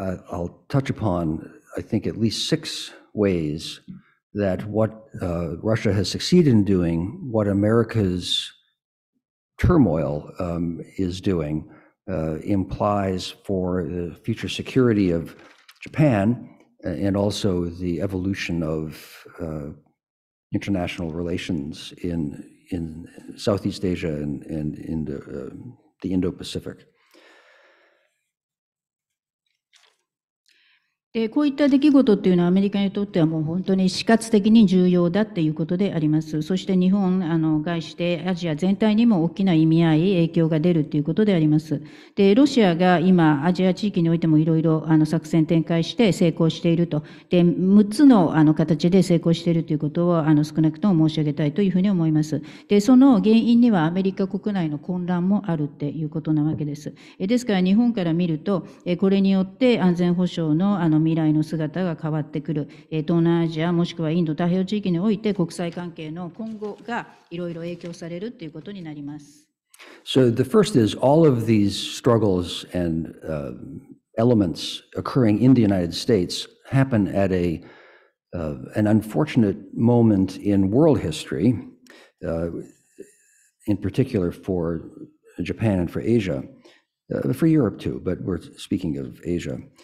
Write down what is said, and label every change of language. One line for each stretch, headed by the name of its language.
English: I'll touch upon, I think, at least six ways that what Russia has succeeded in doing, what America'sTurmoil is doing implies for the future security of Japan and also the evolution of international relations in Southeast Asia and in the Indo-Pacific.
Japanese: で、こういった出来事っていうのはアメリカにとってはもう本当に死活的に重要だっていうことであります。そして日本外してアジア全体にも大きな意味合い、影響が出るっていうことであります。で、ロシアが今アジア地域においてもいろいろ作戦展開して成功していると。で、6つの形で成功しているということを少なくとも申し上げたいというふうに思います。で、その原因にはアメリカ国内の混乱もあるっていうことなわけです。ですから日本から見ると、これによって安全保障の未来の姿が変わってくる。東南アジアもしくはインド太平洋地域において国際関係の今後がいろいろ影響されるということになります。
English: So the first is all of these struggles and elements occurring in the United States happen at an unfortunate moment in world history, in particular for Japan and for Asia, for Europe too, but we're speaking of Asia.